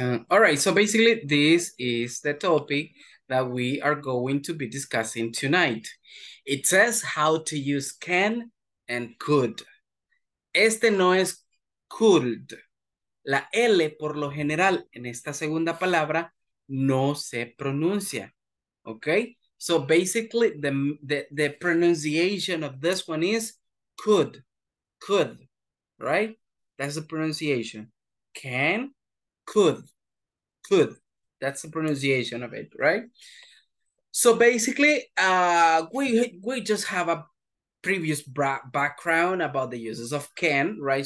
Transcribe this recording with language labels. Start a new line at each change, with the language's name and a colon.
English: All right, so basically this is the topic that we are going to be discussing tonight. It says how to use can and could.
Spanish: Este no es could. La L por lo general en esta segunda palabra no se pronuncia, okay?
English: So basically, the pronunciation of this one is could, right? That's the pronunciation. Can, could. That's the pronunciation of it, right? So basically, we just have a previous background about the uses of can, right?